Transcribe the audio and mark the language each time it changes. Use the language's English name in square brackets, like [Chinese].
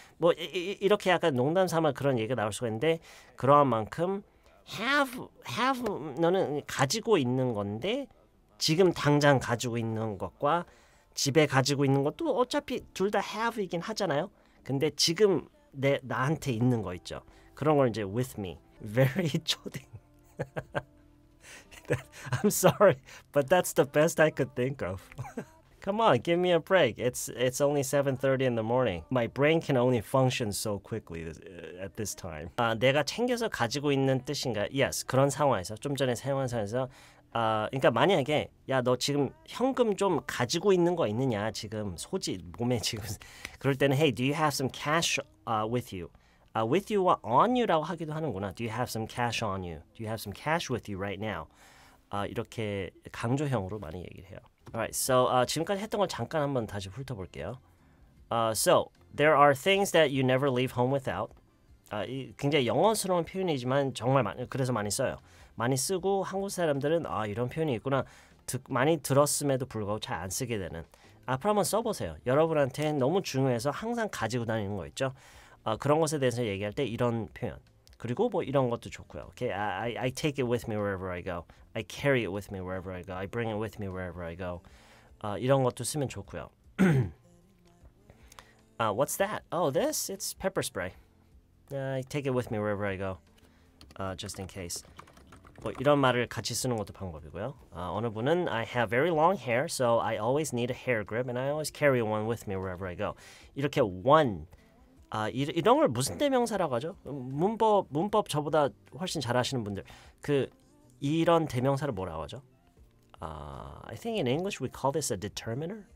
[Korean] 뭐 이렇게 약간 농담 삼아 그런 얘기가 나올 수가 있는데 그러한 만큼 have 너는 가지고 있는 건데 지금 당장 가지고 있는 것과 집에 가지고 있는 것도 어차피 둘 다 have이긴 하잖아요. 근데 지금 내 나한테 있는 거 있죠. 그런 걸 이제 [English] with me. Very [Korean] 초딩. [English] I'm sorry, but that's the best I could think of. Come on, give me a break. It's only 7:30 in the morning. My brain can only function so quickly at this time. [Korean] 내가 챙겨서 가지고 있는 뜻인가? Yes, 그런 상황에서 좀 전에 사용한 상황에서 그러니까 만약에 야, 너 지금 현금 좀 가지고 있는 거 있느냐? 지금 소지 몸에 지금 그럴 때는 [English] hey, do you have some cash with you? With you와 on you라고 하기도 하는구나. Do you have some cash on you? Do you have some cash with you right now? [Korean] 이렇게 강조형으로 많이 얘기를 해요. [English] Alright, so [Korean] 지금까지 했던 걸 잠깐 한번 다시 훑어볼게요. [English] So, there are things that you never leave home without. [Korean] 굉장히 영어스러운 표현이지만 정말 많이, 그래서 많이 써요. 많이 쓰고 한국 사람들은 이런 표현이 있구나. 많이 들었음에도 불구하고 잘 안 쓰게 되는. 앞으로 한번 써보세요. 여러분한테 너무 중요해서 항상 가지고 다니는 거 있죠. 그런 것에 대해서 얘기할 때 이런 표현. 그리고 뭐 이런 것도 좋고요. [English] Okay, I take it with me wherever I go. I carry it with me wherever I go. I bring it with me wherever I go. [Korean] 이런 것도 쓰면 좋고요. [English] what's that? Oh, this? It's pepper spray. I take it with me wherever I go. Just in case. [Korean] 뭐 이런 말을 같이 쓰는 것도 방법이고요. [English] 어느 분은 I have very long hair, so I always need a hair grip, and I always carry one with me wherever I go. [Korean] 이렇게 [English] one. [Korean] 이런 걸 무슨 대명사라고 하죠? 문법 저보다 훨씬 잘 아시는 분들. 그 이런 대명사를 뭐라고 하죠? [English] I think in English we call this a determiner.